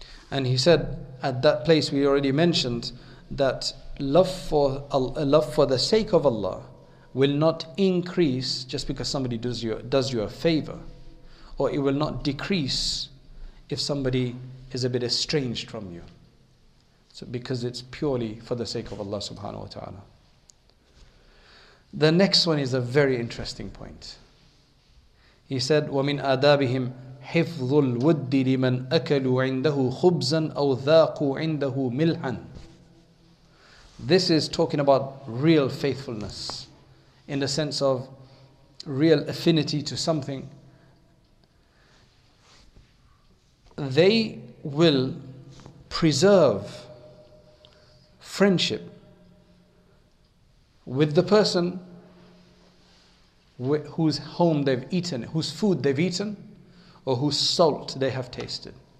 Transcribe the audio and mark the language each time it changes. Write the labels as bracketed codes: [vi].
[en] And he said, at that place we already mentioned that love for the sake of Allah will not increase just because somebody does you a favor, or it will not decrease if somebody is a bit estranged from you. So because it's purely for the sake of Allah subhanahu wa ta'ala. The next one is a very interesting point. He said, [ar] وَمِنْ أَدَابِهِمْ حِفْظُ الْوُدِّ لِمَنْ أَكَلُوا عِنْدَهُ خُبْزًا أَوْ ذَاقُوا عِنْدَهُ مِلْحًا. [en] This is talking about real faithfulness, in the sense of real affinity to something. They will preserve friendship with the person whose home they've eaten, whose food they've eaten, or whose salt they have tasted.